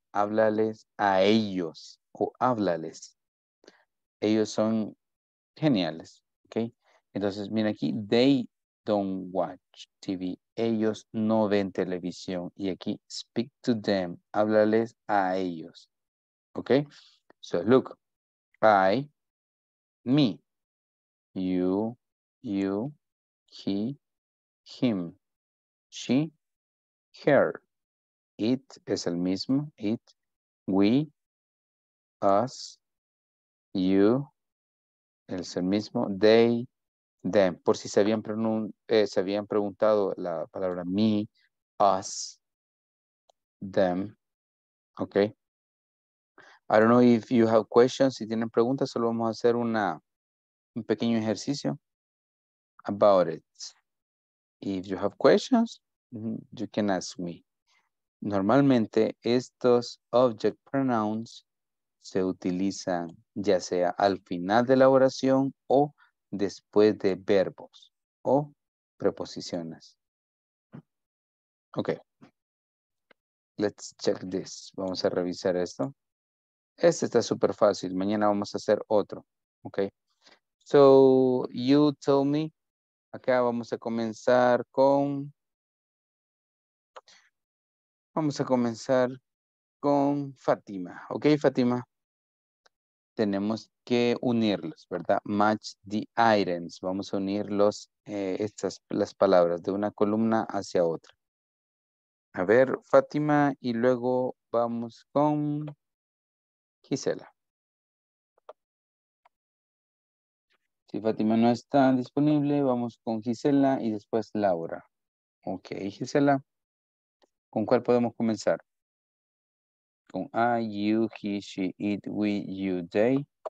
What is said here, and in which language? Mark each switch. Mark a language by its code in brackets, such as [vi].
[es] Háblales a ellos o háblales. Ellos son geniales, ¿ok? Entonces, mira aquí, [en] they don't watch TV. [es] Ellos no ven televisión. Y aquí, [en] speak to them, [es] háblales a ellos, ¿ok? [en] So, look, I, me, you, you, he, him, she, her, it [es] es el mismo, [en] it, we, us, you, es el mismo, they, them. [es] Por si se habían preguntado la palabra me, us, them, ok. [en] I don't know if you have questions, [es] si tienen preguntas, solo vamos a hacer un pequeño ejercicio [en] about it. If you have questions, you can ask me. [es] Normalmente estos object pronouns se utilizan ya sea al final de la oración o después de verbos o preposiciones. [en] Okay. Let's check this. [es] Vamos a revisar esto. Este está súper fácil. Mañana vamos a hacer otro. Okay. [en] So you told me. [es] Acá vamos a comenzar con... Vamos a comenzar con Fátima. Ok, Fátima. Tenemos que unirlos, ¿verdad? [en] Match the items. [es] Vamos a unir las palabras de una columna hacia otra. A ver, Fátima, y luego vamos con Gisela. Si Fátima no está disponible, vamos con Gisela y después Laura. Ok, Gisela. ¿Con cuál podemos comenzar? Con I, you, he, she, it, we, you, they.